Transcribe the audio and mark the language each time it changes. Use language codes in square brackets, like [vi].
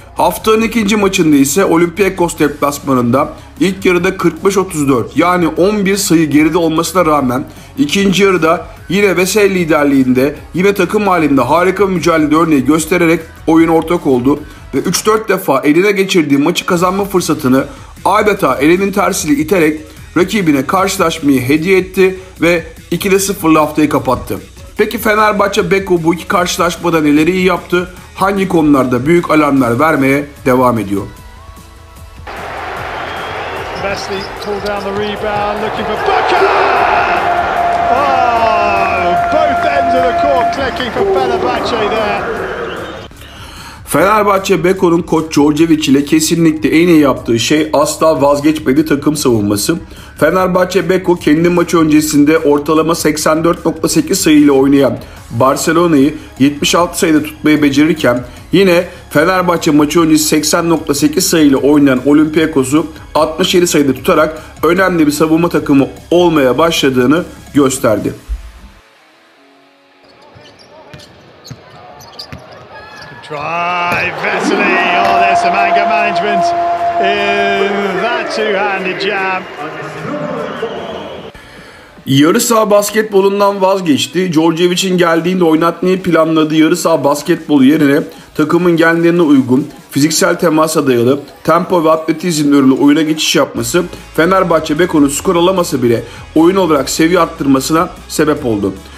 [tr] Haftanın ikinci maçında ise Olympiakos deplasmanında ilk yarıda 45-34 yani 11 sayı geride olmasına rağmen ikinci yarıda yine Veseli liderliğinde yine takım halinde harika bir mücadele örneği göstererek oyun ortak oldu ve 3-4 defa eline geçirdiği maçı kazanma fırsatını adeta elinin tersiyle iterek rakibine karşılaşmayı hediye etti ve 2-0'la haftayı kapattı. Peki Fenerbahçe Beko bu iki karşılaşmada neleri iyi yaptı? Hangi konularda büyük alarmlar vermeye devam ediyor? [en] Vesely pulled down the rebound, looking for Buka! Oh, both ends of the court clicking for Fenerbahçe there. [tr] Fenerbahçe Beko'nun koç Georgevic ile kesinlikle en iyi yaptığı şey asla vazgeçmedi takım savunması. Fenerbahçe Beko kendi maçı öncesinde ortalama 84.8 sayıyla oynayan Barcelona'yı 76 sayıda tutmayı becerirken yine Fenerbahçe maçı öncesi 80.8 sayıyla oynayan Olympiakos'u 67 sayıda tutarak önemli bir savunma takımı olmaya başladığını gösterdi. [en] Drive Vesely, oh there's some anger management in that two-handed jam. [tr] Yarı saha basketbolundan vazgeçti. Georgevic'in geldiğinde oynatmayı planladığı yarı saha basketbolu yerine takımın kendilerine uygun, fiziksel temasa dayalı, tempo ve atletizm ürünlü oyuna geçiş yapması Fenerbahçe Beko'nun skor alamasa bile oyun olarak seviye arttırmasına sebep oldu.